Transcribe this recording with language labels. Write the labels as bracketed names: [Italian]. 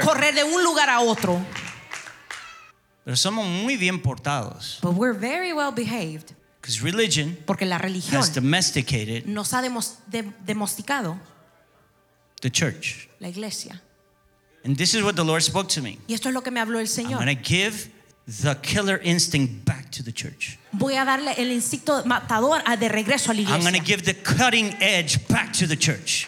[Spanish] Correr de un lugar a otro. Pero somos muy bien portados. [English] But we're very well behaved. Because religion has domesticated. [Spanish] Nos ha domesticado. [English] The church. [Spanish] La iglesia. [English] And this is what the Lord spoke to me. [Spanish] Y esto es lo que me habló el Señor. [English] I'm going to give the killer instinct back to the church. [Spanish] Voy a darle el instinto matador de regreso a la iglesia. [English] I'm going to give the cutting edge back to the church.